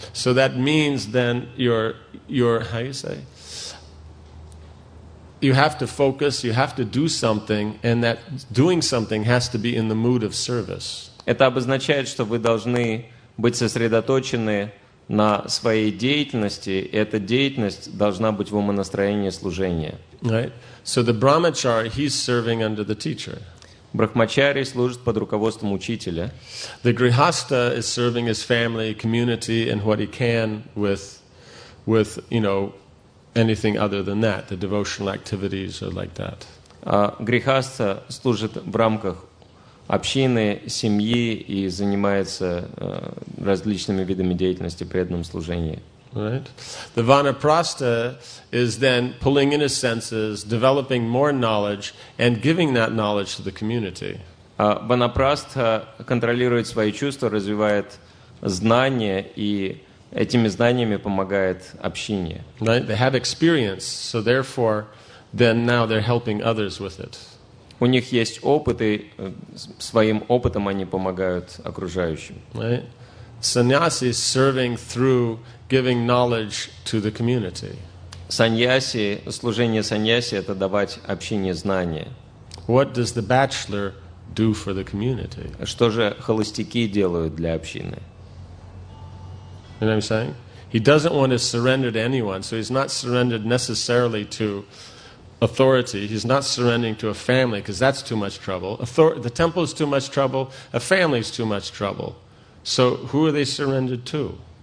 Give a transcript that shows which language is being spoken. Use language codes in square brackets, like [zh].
[en] So that means then your how you say? You have to focus, you have to do something, and that doing something has to be in the mood of service. [ru] Это обозначает, что вы должны быть сосредоточены на своей деятельности, и эта деятельность должна быть в умонастроении служения. [en] Right. So the brahmachari, he's serving under the teacher. [ru] Брахмачари служит под руководством учителя. [en] The grihastha is serving his family, community, and what he can with you know, anything other than that, the devotional activities or like that. [ru] Грихастха служит в рамках общины, семьи и занимается различными видами деятельности, преданном служении. [en] Right. The vanaprastha is then pulling in his senses, developing more knowledge and giving that knowledge to the community. [ru] Ванапрастха контролирует свои чувства, развивает знания и этими знаниями помогает общине. [en] Right? They have experience, so therefore, then now they're helping others with it. [ru] У них есть опыт, и своим опытом они помогают окружающим. [en] Right? Sannyasi is serving through giving knowledge to the community. [ru] Саньяси, служение саньяси — это давать общине знания. [en] What does the bachelor do for the community? [ru] Что же холостяки делают для общины? [en] You know what I'm saying? He doesn't want to surrender to anyone, so he's not surrendered necessarily to authority. He's not surrendering to a family because that's too much trouble. The temple is too much trouble. A family is too much trouble. So who are they surrendered to?